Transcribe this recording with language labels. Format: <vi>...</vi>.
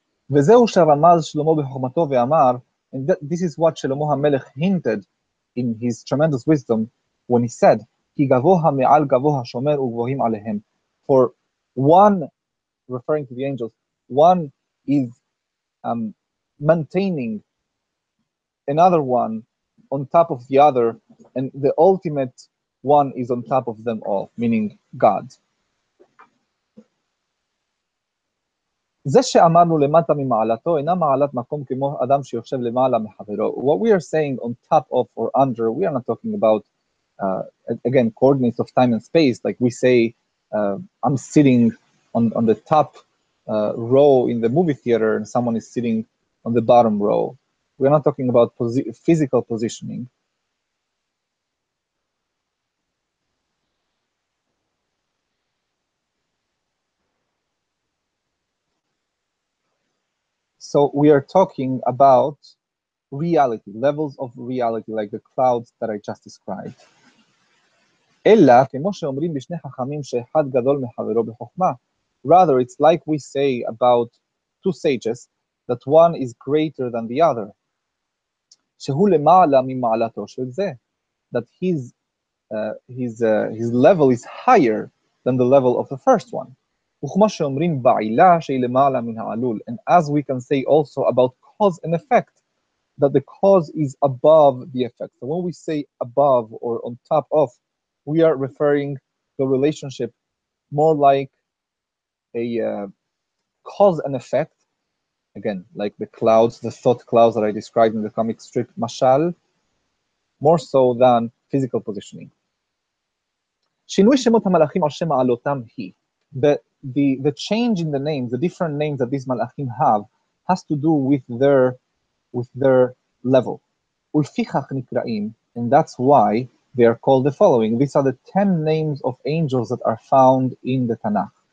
<he>וזהו שרמז שלמה בחוכמתו ואמר,</he> <en>and this is what שלמה המלך hinted in his tremendous wisdom when he said,</en> <he>כי גבוה מעל גבוה שומר וגבוהים עליהם.</he> <en>For one, referring to the angels, one is maintaining another one on top of the other, and the ultimate one is on top of them all, meaning God.</en> <he>זה שאמרנו למטה ממעלתו אינה מעלת מקום כמו אדם שיושב למעלה מחברו.</he> <en>What we are saying on top of or under, we are not talking about, again, coordinates of time and space. Like we say, I'm sitting on the top row in the movie theater and someone is sitting on the bottom row. We are not talking about physical positioning. So we are talking about reality, levels of reality, like the clouds that I just described.</en> <he>Ella, כמו שאומרים בשני חכמים שאחד גדול מחברו בחוכמה.</he> <en>Rather, it's like we say about two sages, that one is greater than the other.</en> <he>שהוא למעלה ממעלתו של זה.</he> <en>That his level is higher than the level of the first one.</en> <he>וכמו שאומרים בעילה שהיא למעלה מן העלול.</he> <en>And as we can say also about cause and effect, that the cause is above the effect. So when we say above or on top of, we are referring to a relationship more like a cause and effect. Again, like the clouds, the thought clouds that I described in the comic strip, Mashal, more so than physical positioning.</en> <he>שינוי שמות המלאכים על שם העלותם היא.</he> <en>The change in the names, the different names that these malachim have, has to do with their level.</en> <he>Ulfichach nikra'im,</he> <en>and that's why they are called the following. These are the 10 names of angels that are found in the Tanakh.</en>